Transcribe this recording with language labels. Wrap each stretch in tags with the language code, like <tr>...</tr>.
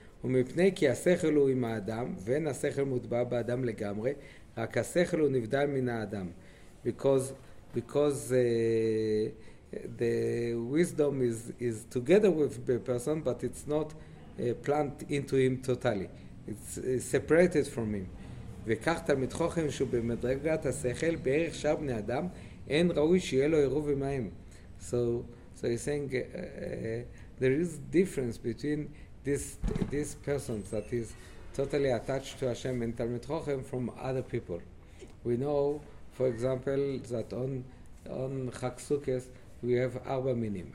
<he>ומפני כי השכל הוא עם האדם, ואין השכל מוטבע באדם לגמרי, רק השכל הוא נבדל מן האדם.</he> <en>Because the wisdom is together with the person, but it's not plant into him totally. It's separated from him.</en> <he>וכך תלמיד חוכם שהוא במדרגת השכל בערך שאר בני אדם אין ראוי שיהיה לו עירוב עמהם.</he> <en>So he's saying there is difference between this person that is totally attached to Hashem and תלמיד חוכם from other people. We know, for example, that on חג סוכס we have ארבע מינים.</en>